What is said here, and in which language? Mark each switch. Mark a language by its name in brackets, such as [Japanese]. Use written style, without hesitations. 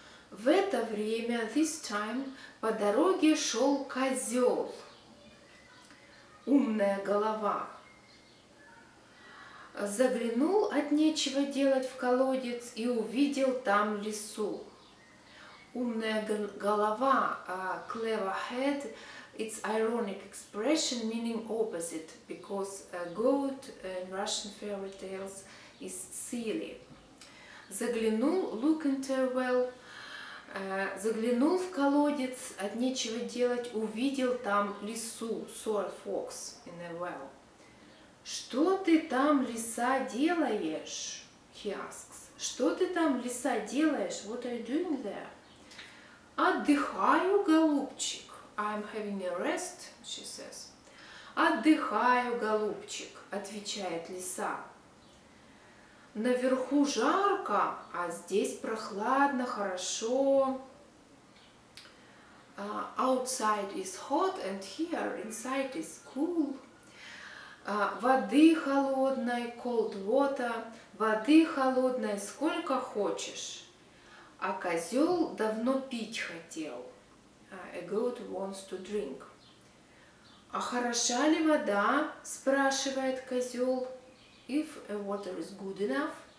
[Russian] В это время, [English] this time, [Russian] по дороге шел козел. Умная голова. Заглянул от нечего делать в колодец и увидел там лису. Умная голова, [English] clever head. It's ironic expression meaning opposite, because a goat in Russian fairy tales is silly. [Russian] Заглянул, [English] look into a well. [Russian] Заглянул в колодец, от нечего делать, увидел там лису, [English] saw a fox in a well. [Russian] Что ты там, лиса, делаешь? [English] He asks. [Russian] Что ты там, лиса, делаешь? [English] What are you doing there? [Russian] Отдыхаю, голубчик. [English] I'm having a rest, she says. [Russian] Отдыхаю, голубчик, отвечает лиса. Наверху жарко, а здесь прохладно, хорошо. [English] Outside is hot and here inside is cool. [Russian] Воды холодной, [English] cold water, [Russian] воды холодной сколько хочешь. А козёл давно пить хотел. [English] A goat wants to drink. [Russian] А хороша ли вода? Спрашивает козёл. [English] If a water is good enough.